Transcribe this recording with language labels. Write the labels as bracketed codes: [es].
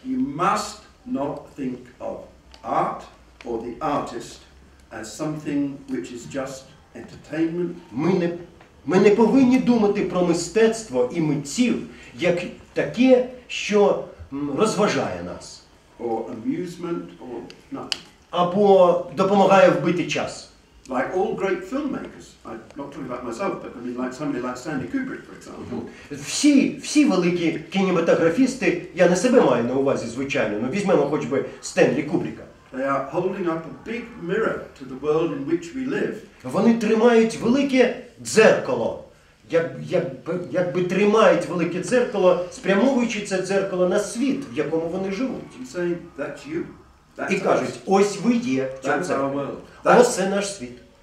[en] you must not think of art or the artist as something which is just entertainment. [uk] Ми не повинні думати про мистецтво і митців як таке, що розважає нас. [en] Or amusement, or nothing. [uk] Або допомагає вбити час. [en] Like all great filmmakers, I'm not talking about myself, but I mean like somebody like Stanley Kubrick, for example. Mm-hmm. [uk] Всі великі кінематографісти, я не себе маю на увазі, звичайно, але візьмемо хоч би Стенлі Кубріка. [en] They are holding up a big mirror to the world in which we live. [uk] Вони тримають велике дзеркало. Якби тримають велике дзеркало, спрямовуючи це дзеркало на світ, в якому вони живуть. [en] And saying, that's you. That's [uk] і кажуть, ось ви є. [en] That's our world. [uk] Ось це наш світ.